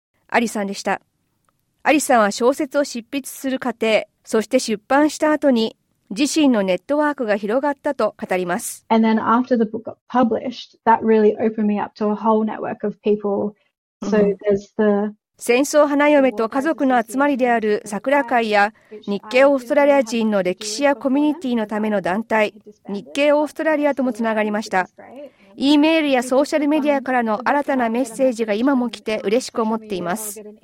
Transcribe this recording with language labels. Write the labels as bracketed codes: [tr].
[ja] アリさんでした。アリさんは小説を執筆する過程、そして出版した後に自身のネットワークが広がったと語ります。 [en] And then after the book got published, that really opened me up to a whole network of people. So there's the [ja] 戦争花嫁と家族の集まりである桜会や、日系オーストラリア人の歴史やコミュニティのための団体、日系オーストラリアともつながりました。 E メールやソーシャルメディアからの新たなメッセージが今も来て嬉しく思っています。